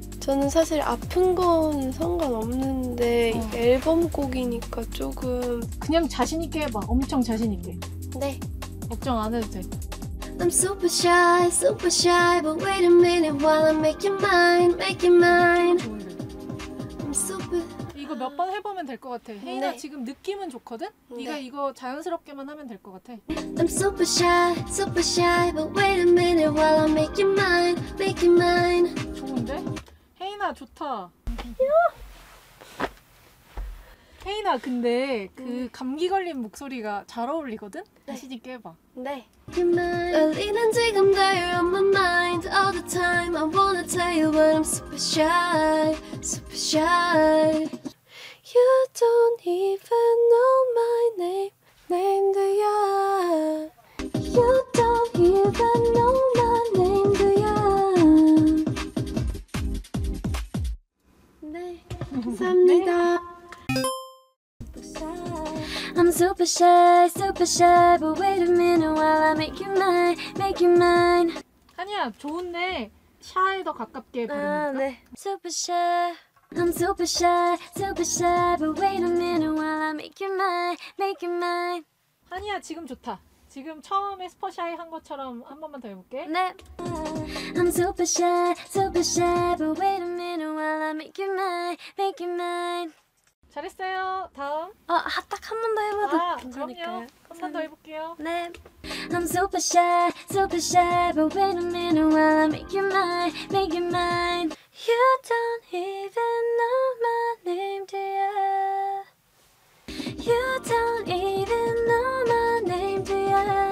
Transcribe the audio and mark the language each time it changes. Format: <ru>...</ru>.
<ko>저는 사실 아픈 건 상관없는데 앨범 곡이니까 조금... 그냥 자신 있게 해봐. 엄청 자신 있게. 네. 걱정 안 해도 돼.</ko> <en>I'm super shy, super shy, but wait a minute while I make you mine, make you mine.</en> <ko>좋은데.</ko> <en>I'm super...</en> <ko>이거 몇 번 해보면 될 것 같아. 혜인아 네. 지금 느낌은 좋거든? 네. 네가 이거 자연스럽게만 하면 될 것 같아.</ko> <en>I'm super shy, super shy, but wait a minute while I make you mine, make you mine.</en> <ko>좋은데? 혜인아 좋다. 혜인아 근데 그 감기 걸린 목소리가 잘 어울리거든? 네. 자신 있게 해봐. 네. 열리는 지금도</ko> <en>you're on my mind all the time. I wanna tell you but I'm super shy, super shy. You don't even know my name, name do ya? You don't even know my name, do ya?</en> <ko>네, 감사합니다. 네.</ko> <en>I'm super shy, super shy, but wait a minute while I make you mine, make you mine.</en> <ko>아니야, 좋은데 shy에 더 가깝게 부르니까. 아, 네.</ko> <en>Super shy. I'm super shy, super shy, but wait a minute while I make you mine, make you mine.</en> <ko>아니야, 지금 좋다. 지금 처음에</ko> <en>super shy</en> <ko>한 것처럼 한 번만 더 해볼게. 네.</ko> <en>I'm super shy, super shy, but wait a minute while I make you mine, make you mine.</en> <ko>잘했어요. 다음. 딱 한 번 더 해봐도 괜찮을까요? 그럼요. 한 번 더 해볼게요. 네.</ko> <en>I'm super shy, super shy, but wait a minute while I make you mine, make you mine. You don't even know my name, do ya? You don't even know my name, do ya?</en>